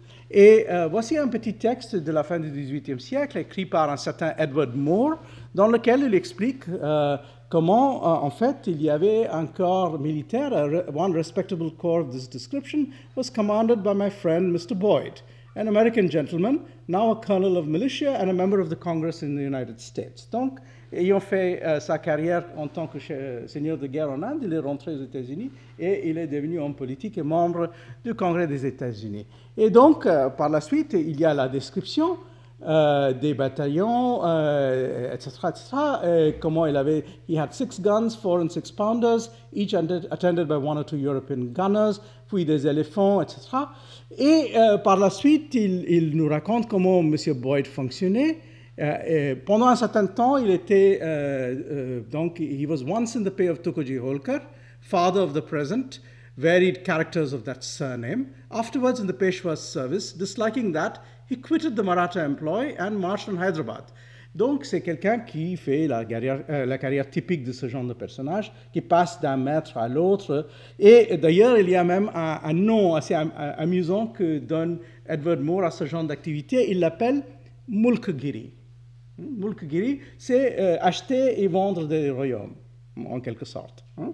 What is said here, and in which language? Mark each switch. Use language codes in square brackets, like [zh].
[fr] Et voici un petit texte de la fin du XVIIIe siècle, écrit par un certain Edward Moore, dans lequel il explique comment, en fait, il y avait un corps militaire, [en] one respectable corps of this description, was commanded by my friend Mr. Boyd, an American gentleman, now a colonel of militia and a member of the Congress in the United States. [fr] Donc, ayant fait sa carrière en tant que seigneur de guerre en Inde, il est rentré aux États-Unis et il est devenu homme politique et membre du Congrès des États-Unis. Et donc, par la suite, il y a la description des bataillons, etc., comment il avait... [en] He had 6 guns, 4 and 6 pounders, each attended by 1 or 2 European gunners, [fr] puis des éléphants, etc. Et par la suite, il nous raconte comment M. Boyd fonctionnait. Et pendant un certain temps, il était... [en] donc, he was once in the pay of Tokoji Holkar, father of the present, varied characters of that surname. Afterwards, in the Peshwa's service, disliking that, he quitted the Maratha employ and marched on Hyderabad. [fr] Donc, c'est quelqu'un qui fait la carrière typique de ce genre de personnage, qui passe d'un maître à l'autre. Et d'ailleurs, il y a même un nom assez amusant que donne Edward Moore à ce genre d'activité. Il l'appelle Mulkgiri. Mulkgiri, c'est acheter et vendre des royaumes, en quelque sorte.